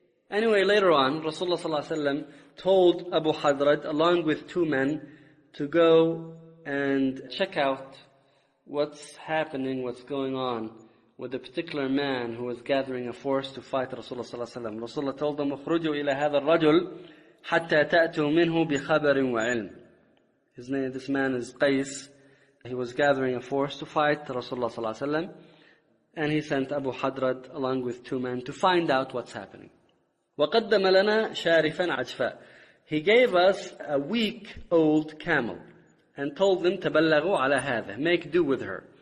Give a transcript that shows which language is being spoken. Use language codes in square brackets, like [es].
[en] Anyway, later on, Rasulullah sallallahu alayhi wa sallam told Abu Hadrat, along with two men, to go and check out what's happening, what's going on with a particular man who was gathering a force to fight Rasulullah sallallahu alayhi wa sallam. Rasulullah told them, [ar] اخرجوا إلى هذا الرجل حتى تأتوا منه بخبر وعلم. [en] His name, this man is Qais. He was gathering a force to fight Rasulullah sallallahu alayhi wa sallam, and he sent Abu Hadrat along with two men to find out what's happening. [ar] وَقَدَّمَ لَنَا شَارِفًا عَجْفًا. [en] He gave us a weak old camel and told them, [ar] تَبَلَّغُوا عَلَى هَذَا. [en] Make do with her.